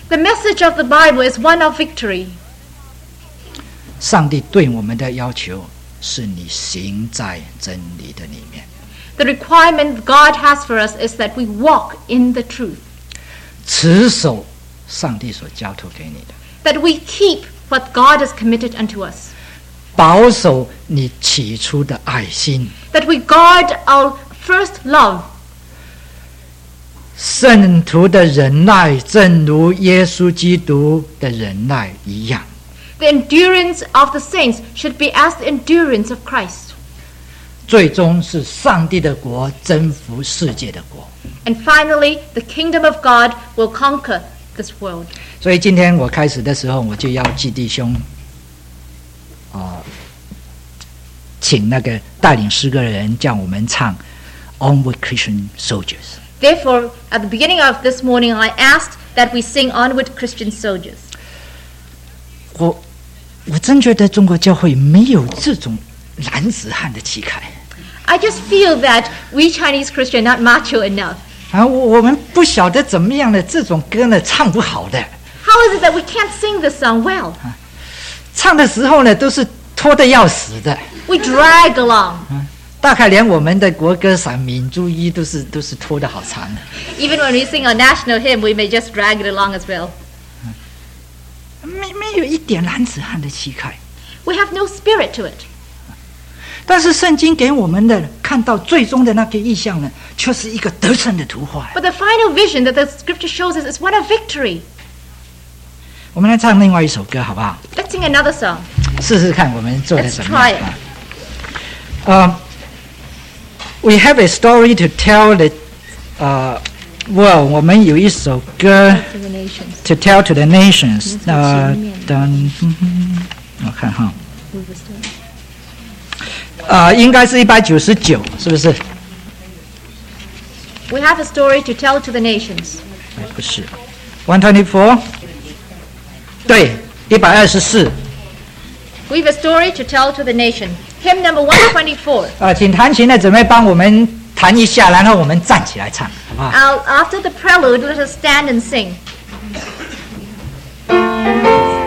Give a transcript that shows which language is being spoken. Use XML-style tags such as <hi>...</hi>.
<en>The message of the Bible is one of victory</en> <zh>上帝对我们的要求是你行在真理的里面</zh> <en>The requirement God has for us is that we walk in the truth</en> <zh>持守上帝所交托给你的</zh> <en>That we keep what God has committed unto us</en> <zh>保守你起初的爱心</zh> <en>That we guard our first love</en> <zh>圣徒的忍耐正如耶稣基督的忍耐一样</zh> <en>The endurance of the saints should be as the endurance of Christ</en> <zh>最终是上帝的国征服世界的国</zh> <en>And finally, the kingdom of God will conquer this world.</en> <zh>所以今天我开始的时候，我就要祭弟兄，请那个带领诗歌的人叫我们唱 Onward Christian Soldiers.</zh> <en>Therefore, at the beginning of this morning, I asked that we sing Onward Christian Soldiers.</en> <zh>我真觉得中国教会没有这种男子汉的气概。</zh> <en>I just feel that we Chinese Christians are not macho enough.</en> <zh>我们不晓得怎么样的这种歌呢，唱不好的。</zh> <en>How is it that we can't sing this song well?</en> <zh>唱的时候呢，都是拖得要死的。</zh> <en>We drag along.</en> <zh>大概连我们的国歌赏明珠一都是拖得好长的。</zh> <en>Even when we sing our national hymn, we may just drag it along as well.</en> <zh>没有一点男子汉的气概。</zh> <en>We have no spirit to it.</en> <zh>但是圣经给我们的看到最终的那个意象呢，却是一个得胜的图画。</zh> <en>But the final vision that the scripture shows us is one of victory.</en> <zh>我们来唱另外一首歌好不好</zh> <en>？Let's sing another song.</en> <zh>试试看我们做的什么。</zh> <en>Let's try it. We have a story to tell the world.</en> <zh>我们有一首歌</zh> <en>to tell to the nations.</en> <zh>我看哈。应该是199，是不是</zh> <en>？We have a story to tell to the nations.</en> <zh>不是 ，124， 对，124。</zh> <en>We have a story to tell to the nation. Hymn number 124.</en> <zh>请弹琴的姊妹帮我们弹一下，然后我们站起来唱，好不好</zh> <en>？After the prelude, let us stand and sing. Thank you.</en>